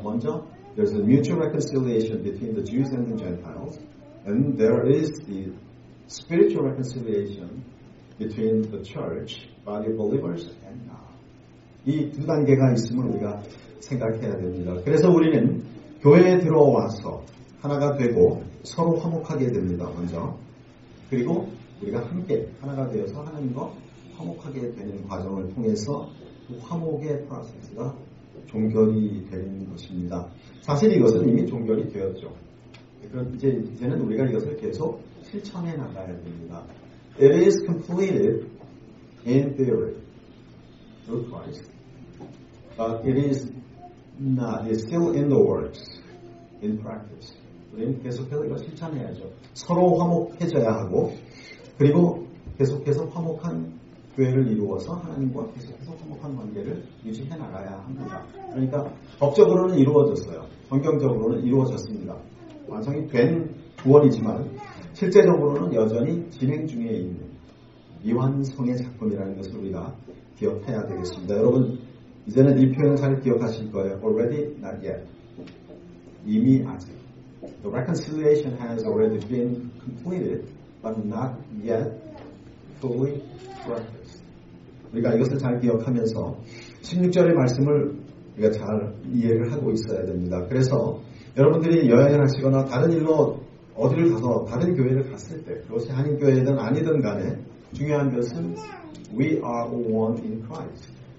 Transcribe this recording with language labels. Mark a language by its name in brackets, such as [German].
[Korean] 먼저 [English] there's a mutual reconciliation between the Jews and the Gentiles and there is the spiritual reconciliation between the church, body of believers and God. [Korean] 이 두 단계가 있음을 우리가 생각해야 됩니다. 그래서 우리는 교회에 들어와서 하나가 되고 서로 화목하게 됩니다. 먼저. 그리고 우리가 함께 하나가 되어서 하나님과 화목하게 되는 과정을 통해서 그 화목의 프로세스가 종결이 되는 것입니다. 사실 이것은 이미 종결이 되었죠. 그럼 이제는 우리가 이것을 계속 실천해 나가야 됩니다. [English] It is completed in theory through Christ. But it is not, it's still in the works, in practice. [Korean] 우리는 계속해서 이걸 실천해야죠. 서로 화목해져야 하고, 그리고 계속해서 화목한 교회를 이루어서 하나님과 계속해서 화목한 관계를 유지해 나가야 합니다. 그러니까 법적으로는 이루어졌어요. 성경적으로는 이루어졌습니다. 완성이 된 구원이지만 실제적으로는 여전히 진행 중에 있는 미완성의 작품이라는 것을 우리가 기억해야 되겠습니다. 여러분 이제는 이 표현을 잘 기억하실 거예요. [English] Already not yet. [Korean] 이미 아직. [English] The reconciliation has already been completed but not yet fully practiced. [Korean] 우리가 이것을 잘 기억하면서 16절의 말씀을 우리가 잘 이해를 하고 있어야 됩니다. 그래서 여러분들이 여행을 하시거나 다른 일로 어디를 가서 다른 교회를 갔을 때 그것이 한인교회든 아니든 간에 중요한 것은 [English] We are one in Christ.